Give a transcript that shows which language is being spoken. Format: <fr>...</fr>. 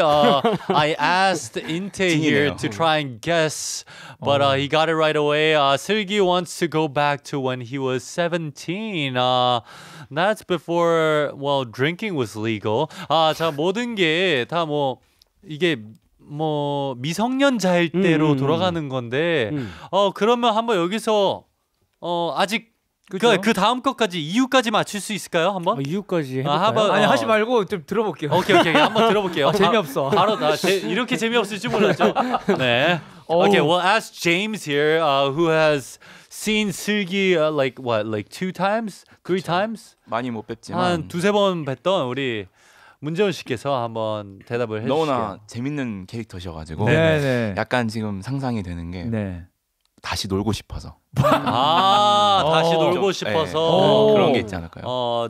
<en>I asked Intae here to try and guess, but he got it right away. Seulgi wants to go back to when he was 17. That's before well drinking was legal.</en> <ko>자 모든 게 다 뭐 이게 뭐 미성년자일 때로 돌아가는 건데 그러면 한번 여기서 아직 그렇죠? 그 다음 것까지 이유까지 맞출 수 있을까요? 한번? 이유까지 해볼까요? 한번, 아니 하지 말고 좀 들어볼게요. 오케이 한번 들어볼게요. 재미없어. 바로 나 이렇게 재미없을 줄 몰랐죠. 네.</ko> <en>Okay, we'll ask James here who has seen 슬기 like what? Like two times? Three</en> <ko>그쵸.</ko> <en>times?</en> <ko>많이 못 뵙지만 한 두세 번 뵀던 우리 문재훈 씨께서 한번 대답을 해 주시죠. 너무나 재밌는 캐릭터셔 가지고 네, 네. 약간 지금 상상이 되는 게 네. 다시 놀고 싶어서. 아, 다시 놀고 좀, 싶어서 네. 그런 게 있지 않을까요?</ko>